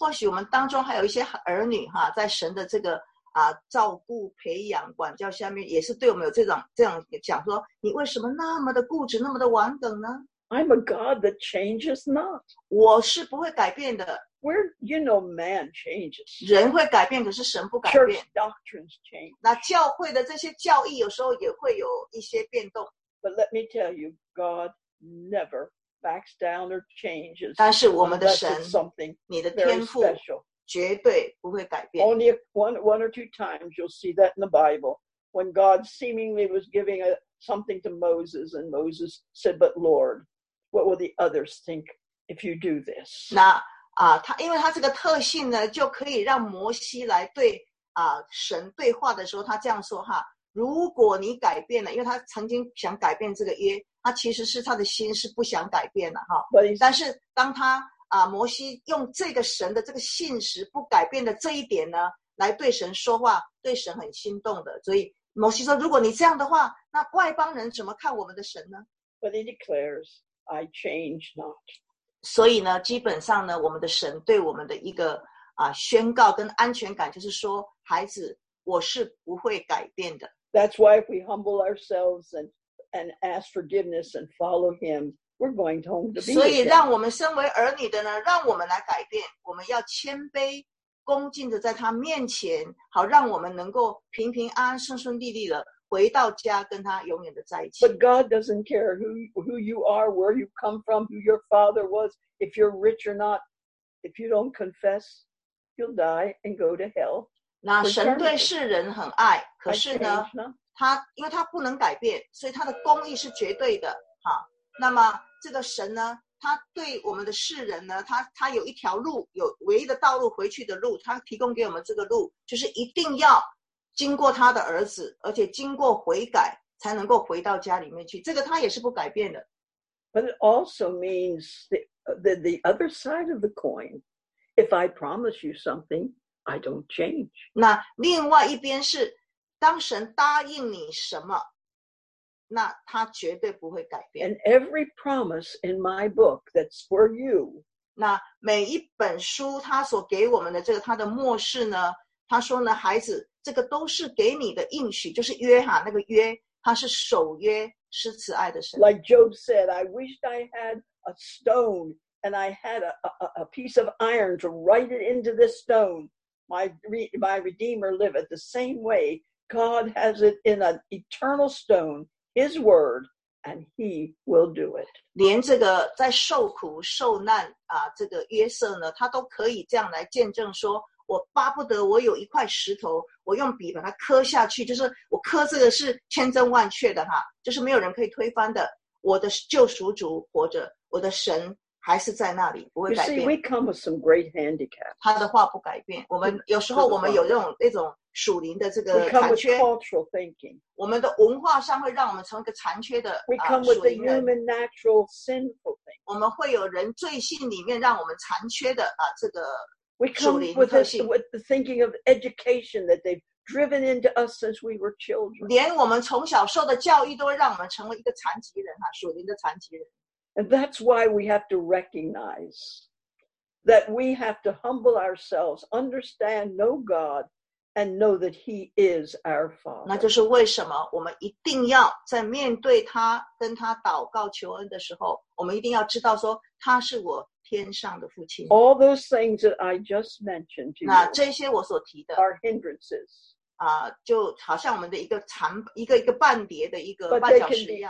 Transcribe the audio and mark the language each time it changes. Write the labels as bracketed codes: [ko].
[zh] 或许我们当中还有一些儿女哈，在神的这个照顾培养管教下面也是对我们有这种讲说你为什么那么的固执那么的顽梗呢 [en] I'm a God that changes not [zh] 我是不会改变的 [en] Where you know man changes [zh] 人会改变可是神不改变 [en] Church doctrines change [zh] 那教会的这些教义有时候也会有一些变动 [en] But let me tell you God never backs down or changes [zh] 但是我们的神你的天父绝对不会改变。 [en] Only one or two times you'll see that in the Bible when God seemingly was giving something to Moses and Moses said, "But Lord, what will the others think if you do this?" [zh] 那啊，他因为他这个特性呢，就可以让摩西来对啊神对话的时候，他这样说哈。如果你改变了，因为他曾经想改变这个约，他其实是他的心是不想改变的哈。但是当他啊，摩西用这个神的这个信实不改变的这一点呢，来对神说话，对神很心动的。所以摩西说，如果你这样的话，那外邦人怎么看我们的神呢？ [en] But he declares, "I change not." [zh] 所以呢，基本上呢，我们的神对我们的一个啊宣告跟安全感，就是说，孩子。我是不会改变的。 [en] That's why if we humble ourselves and ask forgiveness and follow Him, we're going home to be with Him. [zh] 所以，让我们身为儿女的呢，让我们来改变。我们要谦卑、恭敬的在他面前，好让我们能够平平安安、顺顺利利的回到家，跟他永远的在一起。 [en] But God doesn't care who you are, where you come from, who your father was, if you're rich or not. If you don't confess, you'll die and go to hell. [zh] 那神对世人很爱，可是呢，他因为他不能改变，所以他的公义是绝对的。好，那么这个神呢，他对我们的世人呢，他有一条路，有唯一的道路回去的路，他提供给我们这个路，就是一定要经过他的儿子，而且经过悔改才能够回到家里面去。这个他也是不改变的。 [en] But it also means the other side of the coin. If I promise you something. I don't change. [zh] 那另外一边是，当神答应你什么，那他绝对不会改变。 [en] And every promise in my book that's for you. [zh] 那每一本书他所给我们的这个他的默示呢，他说呢，孩子，这个都是给你的应许，就是约哈那个约，他是守约，是慈爱的神。 [en] Like Job said, I wished I had a stone and I had a piece of iron to write it into this stone. My Redeemer liveth the same way God has it in an eternal stone, His word, and He will do it. [zh] 连这个在受苦受难啊，这个约瑟呢，他都可以这样来见证说，我巴不得我有一块石头，我用笔把它刻下去，就是我刻这个是千真万确的哈，就是没有人可以推翻的。我的救赎主活着，我的神。还是在那里不会改变。 [en] You see, we come with some great handicaps. [zh] 他的话不改变。我们有时候我们有那种属灵的这个残缺。 [en] We come with cultural thinking. [zh] 我们的文化上会让我们成一个残缺的属灵人。 [en] We come with the human natural sinful thing. [zh] 我们会有人罪性里面让我们残缺的啊这个属灵特性。 [en] We come with the thinking of education that they've driven into us since we were children. [zh] 连我们从小受的教育都会让我们成为一个残疾人啊属灵的残疾人。 [en] And that's why we have to recognize that we have to humble ourselves, understand, know God, and know that He is our Father. [zh] 那就是为什么我们一定要在面对他跟他祷告求恩的时候，我们一定要知道说他是我天上的父亲。 [en] All those things that I just mentioned to you, [zh] 那这些我所提的 [en] are hindrances. [zh] 啊，就好像我们的一个残一个一个半叠的一个绊脚石一样。